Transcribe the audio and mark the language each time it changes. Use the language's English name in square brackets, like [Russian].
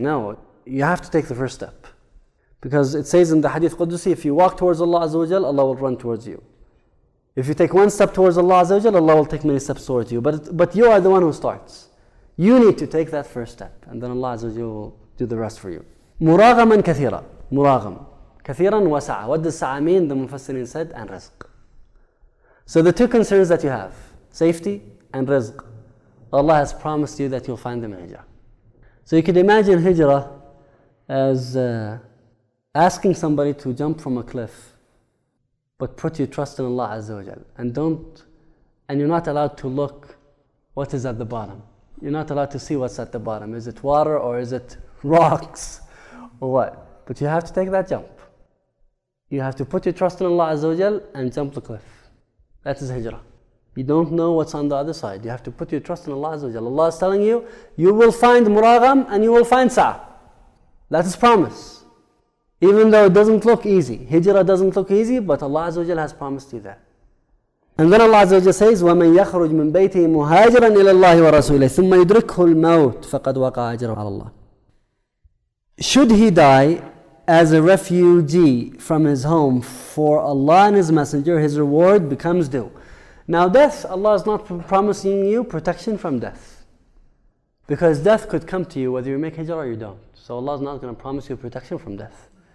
[English] No, you have to take the first step. Because it says in the Hadith Qudusi, if you walk towards Allah Azza wa Jal, Allah will run towards you. If you take one step towards Allah Azza wa Jal, Allah will take many steps towards you. But you are the one who starts. You need to take that first step, and then Allah Azza wa Jal will do the rest for you. [Arabic] مُرَاغَمًا كَثِيرًا مُرَاغَمْ كَثِيرًا وَسَعَ. [English] What does سَعَ mean? The Mufassirin said, and rizq. So the two concerns that you have, safety and rizq, Allah has promised you that you'll find them in hijrah. So you could imagine hijrah as asking somebody to jump from a cliff, but put your trust in Allah Azza wa Jal. And you're not allowed to look what is at the bottom. You're not allowed to see what's at the bottom. Is it water or is it rocks? What? But you have to take that jump. You have to put your trust in Allah Azza wa Jal and jump the cliff. That is hijrah. You don't know what's on the other side. You have to put your trust in Allah Azza wa Jal. Allah is telling you, you will find muragham and you will find sa'ah. That is promise. Even though it doesn't look easy. Hijrah doesn't look easy, but Allah Azza wa Jal has promised you that. And then Allah Azza wa Jal says, [Arabic] وَمَنْ يَخْرُجْ مِنْ بَيْتِهِ مُهَاجِرًا إِلَى اللَّهِ وَرَسُولِهِ ثُمَّ يُدْرِكْهُ الْمَوْتِ فَقَدْ وَقَى أَجْرُهُ عَلَى اللَّهِ. [English] Should he die as a refugee from his home for Allah and his messenger, his reward becomes due. Now death, Allah is not promising you protection from death. Because death could come to you whether you make hijrah or you don't. So Allah is not going to promise you protection from death.